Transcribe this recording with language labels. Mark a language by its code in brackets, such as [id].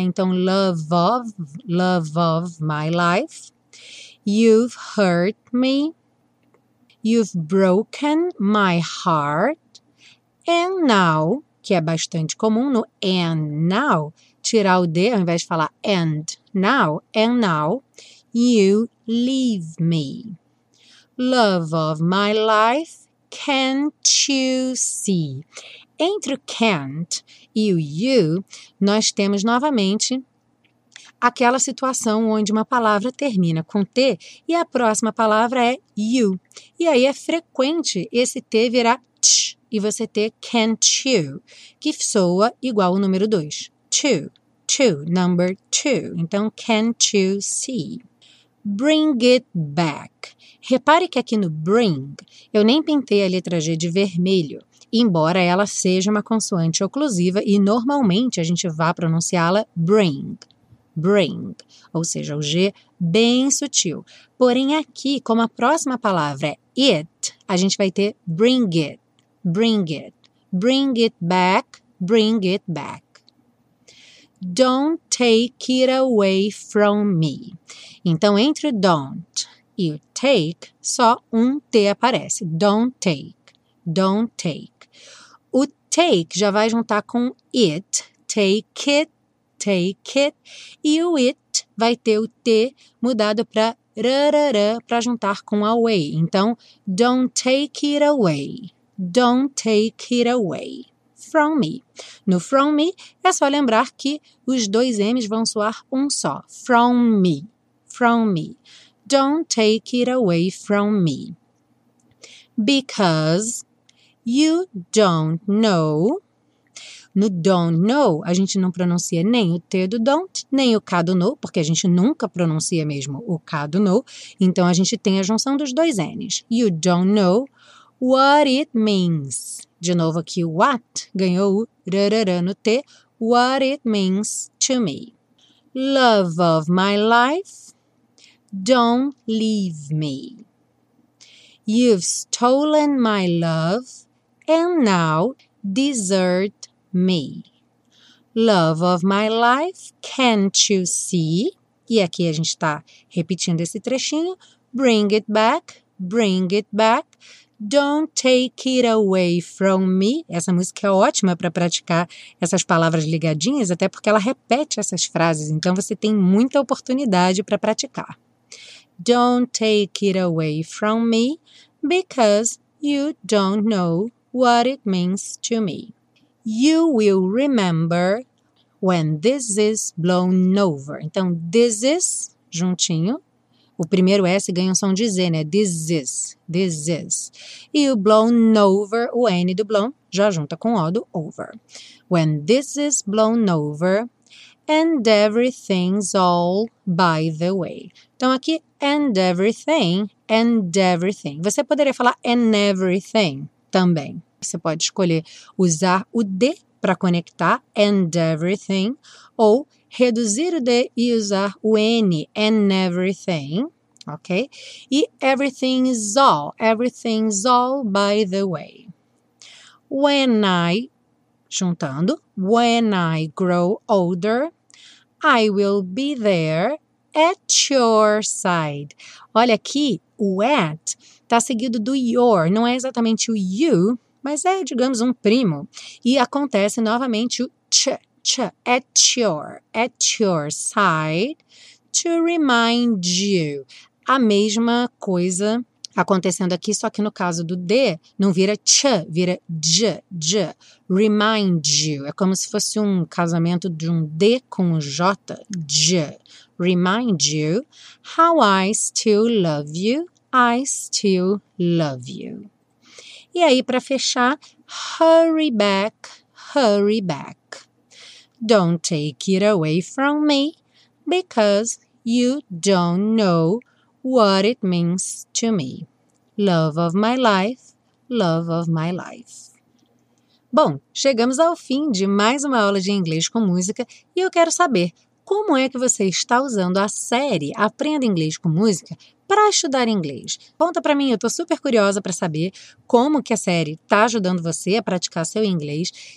[en] Então, love of my life. You've hurt me. You've broken my heart. And now, [pt] que é bastante comum no and now, tirar o D ao invés de falar and, [en] now, and now, you leave me. Love of my life, can't you see? [pt] Entre o can't e o you, nós temos novamente aquela situação onde uma palavra termina com T e a próxima palavra é you. E aí é frequente esse T virar t e você ter [en] can't you, [pt] que soa igual o número 2. [en] Number two. [pt] Então, [en] can't you see? Bring it back. [pt] Repare que aqui no bring, eu nem pintei a letra G de vermelho, embora ela seja uma consoante oclusiva e normalmente a gente vá pronunciá-la bring. Bring, ou seja, o G bem sutil. Porém, aqui, como a próxima palavra é it, a gente vai ter [en] bring it, bring it, bring it back, [pt] bring it back. [en] Don't take it away from me. [pt] Então, entre don't e o take, só um T aparece. [en] Don't take, don't take. [pt] O take já vai juntar com [en] it, take it. Take it, [pt] e o it vai ter o T mudado para rarara para juntar com away. [en] Então, don't take it away, don't take it away from me. [pt] No from me, é só lembrar que os dois M's vão soar um só, [en] from me, from me. Don't take it away from me. Because you don't know. [pt] No don't know, a gente não pronuncia nem o T do don't, nem o K do know, porque a gente nunca pronuncia mesmo o K do know. Então, a gente tem a junção dos dois N's. [en] You don't know what it means. [pt] De novo aqui, what ganhou o rarara no T. [en] What it means to me. Love of my life, don't leave me. You've stolen my love, and now desert me. Love of my life, can't you see? [pt] E aqui a gente está repetindo esse trechinho. [en] Bring it back, bring it back. Don't take it away from me. [pt] Essa música é ótima para praticar essas palavras ligadinhas, até porque ela repete essas frases. Então, você tem muita oportunidade para praticar. [en] Don't take it away from me because you don't know what it means to me. You will remember when this is blown over. [pt] Então, this is, juntinho. O primeiro S ganha um som de Z, né? [en] This is, this is. [pt] E o blown over, o N do blown, já junta com o do over. [en] When this is blown over and everything's all by the way. [pt] Então, aqui, [en] and everything. [pt] Você poderia falar and everything também. Você pode escolher usar o D para conectar and everything ou reduzir o D e usar o N, and everything, ok? [en] E everything's all by the way. When I, [pt] juntando, [en] when I grow older, I will be there at your side. [pt] Olha aqui, o at está seguido do your, não é exatamente o you, mas é, digamos, um primo. E acontece novamente o ch, ch, [en] at your side, to remind you. [pt] A mesma coisa acontecendo aqui, só que no caso do D, não vira ch, vira j, j, [en] remind you. [pt] É como se fosse um casamento de um D com um J, j. [en] Remind you how I still love you, I still love you. [pt] E aí, para fechar, [en] hurry back, hurry back. Don't take it away from me, because you don't know what it means to me. Love of my life, love of my life. [pt] Bom, chegamos ao fim de mais uma aula de inglês com música e eu quero saber como é que você está usando a série Aprenda Inglês com Música para estudar inglês. Conta para mim, eu estou super curiosa para saber como que a série está ajudando você a praticar seu inglês.